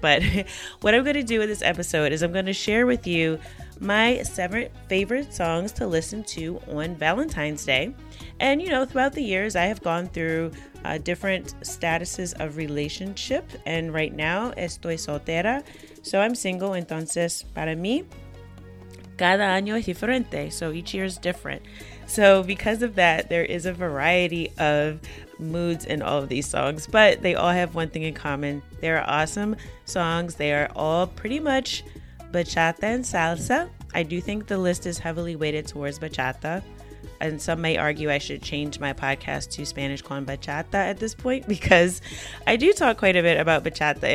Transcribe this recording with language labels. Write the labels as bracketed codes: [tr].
[en] But what I'm going to do with this episode is I'm going to share with you my 7 favorite songs to listen to on Valentine's Day. And you know, throughout the years, I have gone through different statuses of relationship. And right now, [es] estoy soltera. [en] So I'm single. [es] Entonces, para mí, cada año es diferente. [en] So each year is different. So because of that, there is a variety of moods in all of these songs, but they all have one thing in common. They're awesome songs. They are all pretty much bachata and salsa. I do think the list is heavily weighted towards bachata. And some may argue I should change my podcast to Spanish con Bachata at this point because I do talk quite a bit about bachata.